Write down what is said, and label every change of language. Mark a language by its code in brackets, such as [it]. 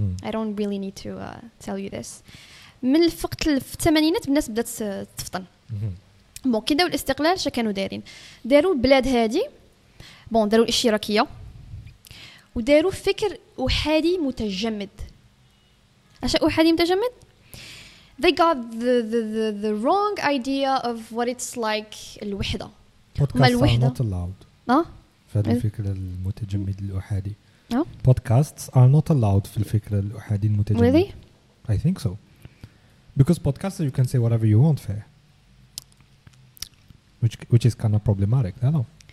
[en] I don't really need to tell you this. [ar] من الفقت في الثمانينات الناس بدأت تفطن. بون كي داو الاستقلال شا كانوا دايرين؟ داروا البلاد هادي بون داروا الاشتراكية وداروا فكر أحادي متجمد. عشان وحدي متجمد. [en] They got the wrong idea of what it's like الوحدة. [ar] في الفكرة المتجمد الأحادي. [en] Podcasts are not allowed [ar] في الفكرة الأحادي المتجمد. [en] Really? I think so. Because podcasts you can say whatever you want فيه. Which is kind of problematic, I know.